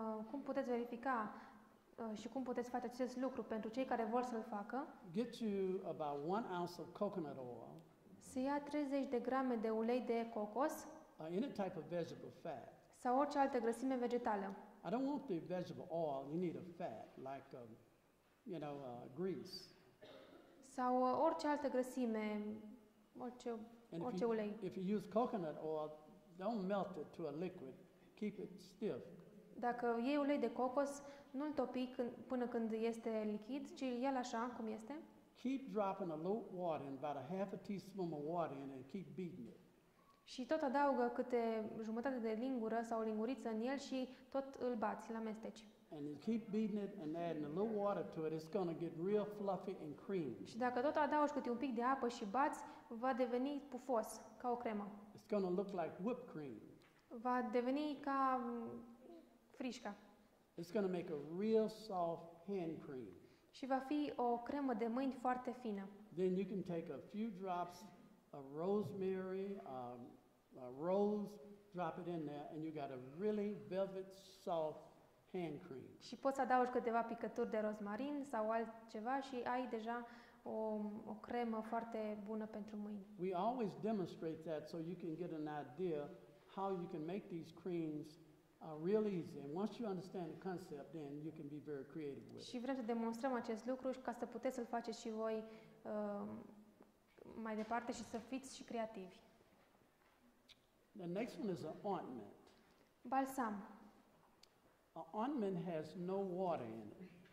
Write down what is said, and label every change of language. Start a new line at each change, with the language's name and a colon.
Romanian: Cum puteți verifica și cum puteți face acest lucru pentru cei care vor să-l facă?
English: Get you about 1 ounce of coconut oil.
Romanian: Să ia 30 de grame de ulei de cocos.
English: Or any type of vegetable fat.
Romanian: Sau orice altă grăsime vegetală.
English: I don't want the vegetable oil. You need a fat, like a, you know, grease.
Romanian: Sau orice altă grăsime, orice ulei.
English: If you use coconut oil, don't melt it to a liquid. Keep it stiff.
Romanian: Dacă iei ulei de cocos, nu-l topi până când este lichid, ci ia-l așa cum este.
English: Keep dropping a little water, about a half a teaspoon of water in it, and keep beating it.
Romanian: Și tot adaugă câte jumătate de lingură sau linguriță în el și tot îl bați, îl amesteci.
English: And you keep beating it and adding a little water to it, it's going to get real fluffy and creamy.
Romanian: Și dacă tot adaugi câte un pic de apă și bați, va deveni pufos, ca o cremă.
English: It's going to look like whipped cream.
Romanian: Va deveni ca frișca.
English: It's going to make a real soft hand cream.
Romanian: Și va fi o cremă de mâini foarte fină.
English: Then you can take a few drops of rosemary, a rose, drop it in there, and you got a really velvet soft hand cream.
Romanian: Și poți adaugi câteva picături de rozmarin sau altceva și ai deja o cremă foarte bună pentru mâini.
English: We always demonstrate that so you can get an idea how you can make these creams real easy. And once you understand the concept, then you can be very creative with it.
Romanian: Și vrem să demonstrăm acest lucru ca să puteți să-l faceți și voi mai departe și să fiți și creativi.
English: The next one is an ointment.
Romanian: Balsam.
English: An ointment has no water in it.